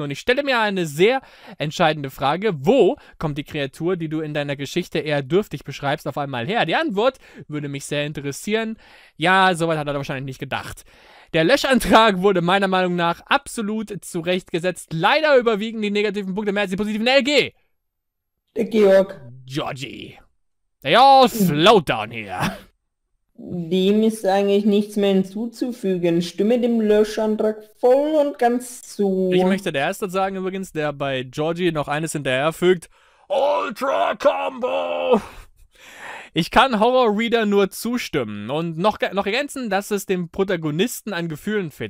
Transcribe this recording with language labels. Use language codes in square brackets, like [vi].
[de] Und ich stelle mir eine sehr entscheidende Frage: Wo kommt die Kreatur, die du in deiner Geschichte eher dürftig beschreibst, auf einmal her? Die Antwort würde mich sehr interessieren. Ja, soweit hat er wahrscheinlich nicht gedacht. Der Löschantrag wurde meiner Meinung nach absolut zurechtgesetzt. Leider überwiegen die negativen Punkte mehr als die positiven. LG! Georg, Georgie! [en] They all float down here! [de] dem ist eigentlich nichts mehr hinzuzufügen. Stimme dem Löschantrag voll und ganz Ich zu. möchte der Erste sagen übrigens, der bei Georgie noch eines hinterherfügt: Ultra Combo! Ich kann Horror-Reader nur zustimmen und noch ergänzen, dass es dem Protagonisten an Gefühlen fehlt.